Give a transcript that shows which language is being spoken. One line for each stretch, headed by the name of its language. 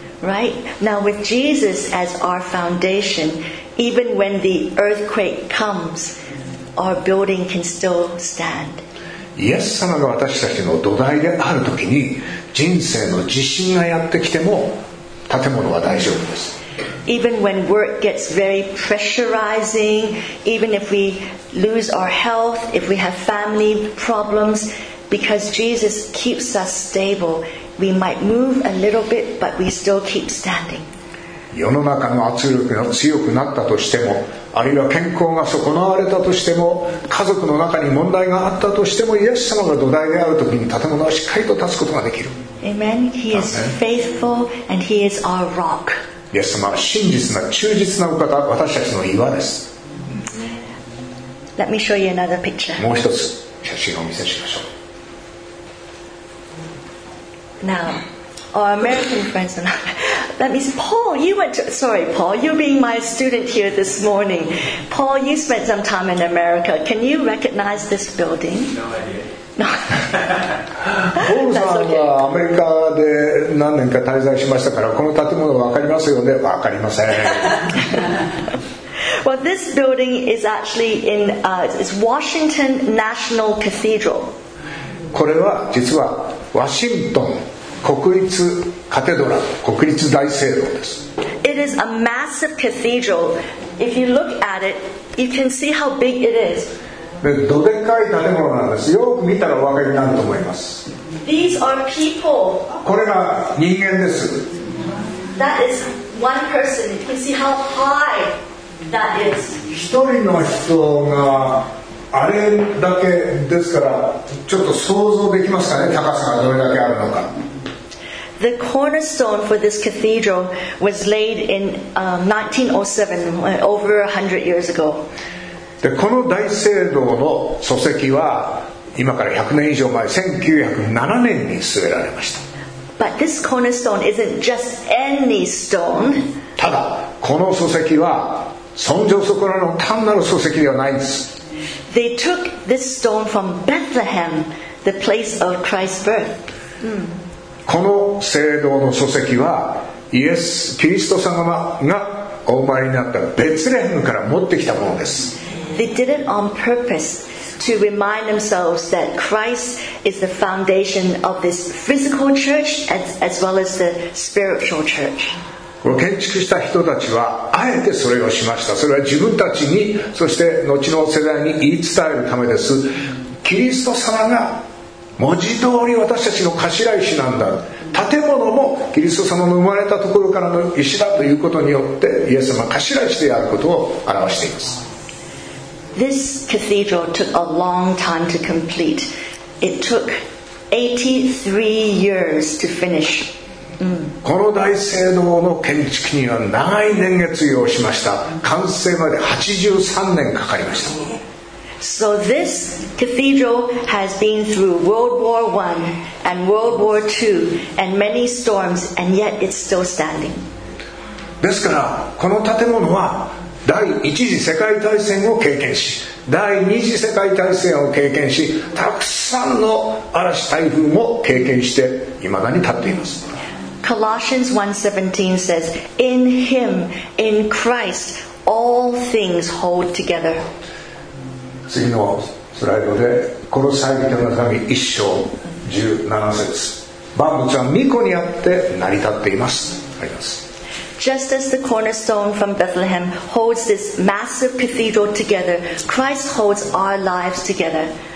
English: Right? Now with Jesus as our foundation, even when the earthquake comes, our building can still stand.
Japanese: イエス様が私たちの土台であるときに人生の地震がやってきても建物は大丈夫です。
English: Even when work gets very pressurizing, even if we lose our health, if we have family problems, because Jesus keeps us stable, we might move a little bit, but we still keep standing.
Japanese: 世の中の圧力が強くなったとしても、あるいは健康が損なわれたとしても、家族の中に問題があったとしても、イエス様が土台であるときに建物はしっかりと立つことができる。
English: Amen. He is faithful and he is our rock.
Japanese: イエス様は真実な忠実なお方、私たちの岩です。
English: Let me show you another picture.
Japanese: もう一つ写真をお見せしましょう。
English: Now our American friends are not... That means Paul, you went to, sorry, Paul, you being my student here this morning. Paul, you spent some time in America. Can you recognize this building? No idea.
Japanese: Paul さんはアメリカで何年か滞在しましたから、この建物わかりますよね？わかりません。
English: Well, this building is actually in, it's Washington National Cathedral.
Japanese: これは実はワシントン国立カテドラ、国立大聖堂です。
English: It is a massive cathedral. If you look at it, you can see how big it is.
Japanese: どでかい建物なんです。よく見たらお分かりになると思います。
English: These are people.
Japanese: これが人間です。
English: That is one person. You can see how high that is.
Japanese: 一人の人があれだけですから、ちょっと想像できますかね、高さがどれだけあるのか。
English: The cornerstone for this cathedral was laid in 1907, over 100 years ago.
Japanese: で、この大聖堂の礎石は今から100年以上前、1907年に据えられました。
English: But this cornerstone isn't just any stone.
Japanese: ただこの礎石は尊上そこらの単なる礎石ではないんです。
English: They took this stone from Bethlehem, the place of Christ's birth.
Japanese: この聖堂の礎石はイエス・キリスト様がお生まれになったベツレヘムから持ってきたものです。
English: They did it on purpose to remind themselves that Christ is the foundation of this physical church as well as the spiritual church.
Japanese: この建築した人たちはあえてそれをしました。それは自分たちに、そして後の世代に言い伝えるためです。キリスト様が文字通り私たちの頭石なんだ。建物もキリスト様の生まれたところからの石だということによってイエス様は頭石であることを表しています。
English: This cathedral took a long time to complete. It took 83 years to finish.
Japanese: この大聖堂の建築には長い年月を要しました。完成まで83年かかりました。
English: So this cathedral has been through World War I and World War II and many storms, and yet it's still standing.
Japanese: ですからこの建物は第一次世界大戦を経験し、第二次世界大戦を経験し、たくさんの嵐台風も経験して未だに立っています。
English: Colossians 1:17 says, "In Him, in Christ, all things hold together."
Japanese: 次のスライドで、コロサイ人の手紙1章17節、万物は御子にあって成り立っています。あります。
English: Just as the cornerstone from Bethlehem holds this massive cathedral together, Christ holds our lives together.